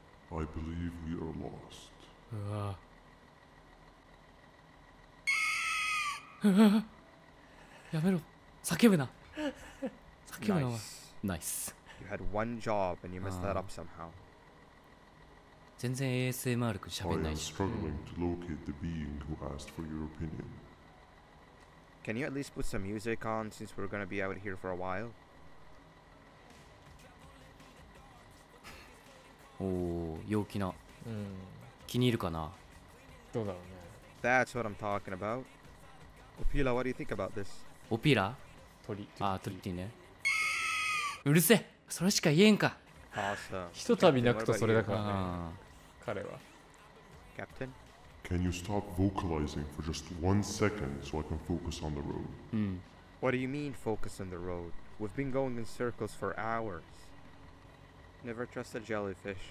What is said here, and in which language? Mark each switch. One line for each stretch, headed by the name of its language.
English: I believe we are lost.
Japanese: やめろ、叫ぶな。叫ぶな。
English: Nice. You had one job and you messed that up somehow.
Japanese: 全然 ASMR くん喋んないし。
English: I am struggling to locate the being who asked for your opinion. Can you at least put some music on since we're gonna be out here for a while?
Japanese: おお、陽気な、うん、気に入るかな。どうだろうね。
English: That's what I'm talking about. Opila, what do you think about this? Opila?
Japanese: 鳥。あ、鳥っていうね。うるせえ、それしか言えんか。
English: Awesome.
Japanese: ひとたび泣くとそれだからね。彼は。
English: Captain? Can you stop vocalizing for just one second so I can focus on the road?
Japanese: うん。
English: What do you mean focus on the road? We've been going in circles for hours. Never trust a jellyfish.